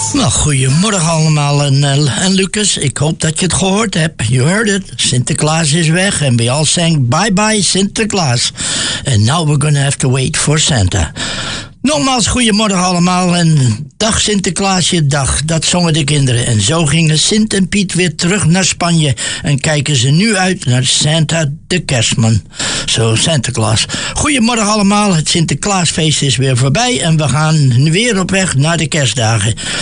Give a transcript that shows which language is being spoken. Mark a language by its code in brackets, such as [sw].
[nl] Goedemorgen allemaal en Lucas, ik hoop dat je het gehoord hebt. [en] You heard it. [nl] Sinterklaas is weg en [en] we all sang bye bye Sinterklaas. And now we're gonna have to wait for Santa. [nl] Nogmaals, goedemorgen allemaal en dag Sinterklaasje, dag. Dat zongen de kinderen en zo gingen Sint en Piet weer terug naar Spanje. En kijken ze nu uit naar Santa de Kerstman. Zo, Sinterklaas. Goedemorgen allemaal, het Sinterklaasfeest is weer voorbij en we gaan weer op weg naar de kerstdagen.